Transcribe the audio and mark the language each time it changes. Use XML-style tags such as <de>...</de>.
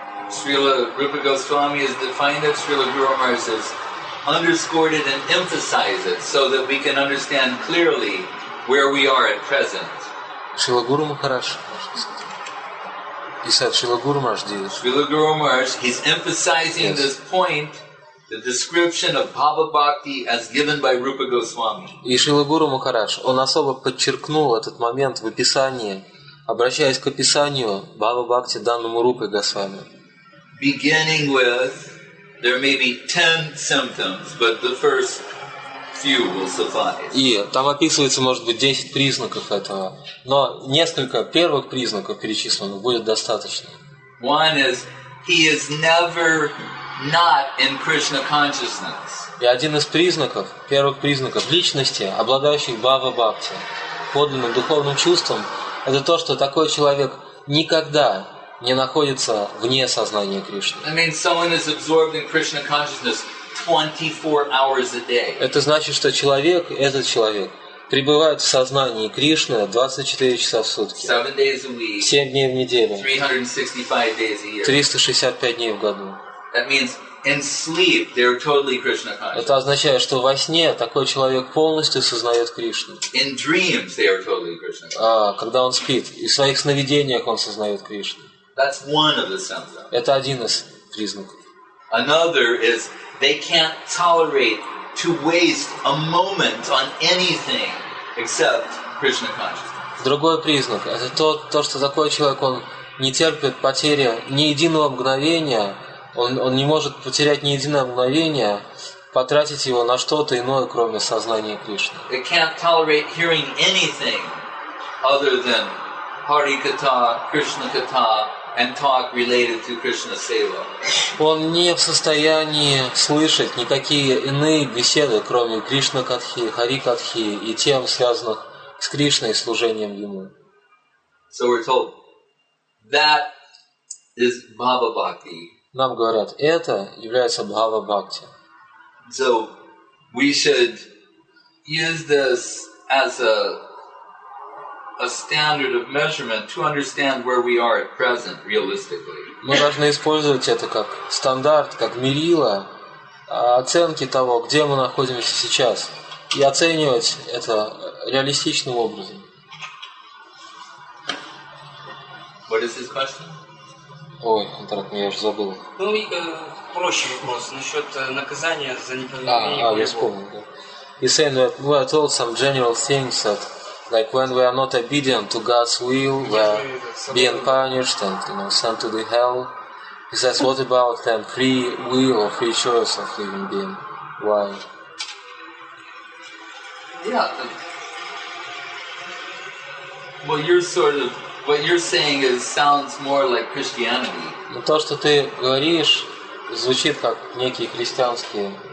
<en>Srila Rupa Goswami has defined it, Srila Guru Maharaj says, underscored it and emphasize it so that we can understand clearly where we are at present. Srila Guru Maharaj, he said, Srila Guru Maharaj did. Srila Guru Maharaj, he's emphasizing, yes, this point the description of Bhava Bhakti as given by Rupa Goswami.</en> <ru>И Шрила Гуру Махарадж, он особо подчеркнул этот момент в описании, обращаясь к описанию Бхава Бхакти данному Рупе Госвами.</ru> <en>Beginning with, there may be 10 symptoms, but the first few will suffice.</en> <ru>И там описывается, может быть, 10 признаков этого, но несколько первых признаков перечисленных будет достаточно.</ru> <en>One is, he is never not in Krishna consciousness.</en> <ru>И один из признаков, первых признаков личности, обладающих Бхава Бхакти, подлинным духовным чувством, это то, что такой человек никогда не находится вне сознания Кришны.</ru> <en>I mean, someone is absorbed in Krishna consciousness 24 hours a day.</en> <ru>Это значит, что человек, этот человек, пребывает в сознании Кришны 24 часа в сутки.</ru> <en>7 days a week.</en> <ru>7 дней в неделю.</ru> <en>365 days a year.</en> <ru>365 дней в году.</ru> <en>That means in sleep they're totally Krishna conscious.</en> <ru>Это означает, что во сне такой человек полностью сознает Кришну.</ru> <en>In dreams they are totally Krishna conscious.</en> <ru>Когда он спит, и в своих сновидениях он сознает Кришну.</ru> <en>That's one of the symptoms.</en> <ru>Это один из признаков.</ru> <en>Another is they can't tolerate to waste a moment on anything except Krishna consciousness.</en> <ru>Другой признак это то, что такой человек он не терпит потери ни единого мгновения. Он не может потерять ни единое мгновение, потратить его на что-то иное, кроме сознания Кришны.</ru> <en>It can't tolerate hearing anything other than Hari Katha, Krishna Katha, and talk related to Krishna Seva.</en> <ru>Он не в состоянии слышать никакие иные беседы, кроме Кришна Катхи, Хари Катхи и тем, связанных с Кришной и служением Ему.</ru> <en>So we're told that is Bhava Bhakti.</en> <ru>Нам говорят, это является Бхава Бхакти.</ru> <en>So we should use this as a standard of measurement to understand where we are at present, realistically.</en> <ru>Мы должны использовать это как стандарт, как мерило оценки того, где мы находимся сейчас, и оценивать это реалистичным образом.</ru> <en>What is his question?</en> <ru>Ой, Антарат, я уже забыл. Ну, и проще вопрос насчет наказания за неповиновение. Я вспомнил. Да.</ru> <en>He's saying that we are told some general things that, like when we are not obedient to God's will, we are being punished and, you know, sent to the hell. He says, what about then free will or free choice of living being? Why? Yeah. Well, you're sort of. What you're saying is sounds more like Christianity.</en> <ru>Ну то, что ты говоришь, звучит как некие христианские.</ru>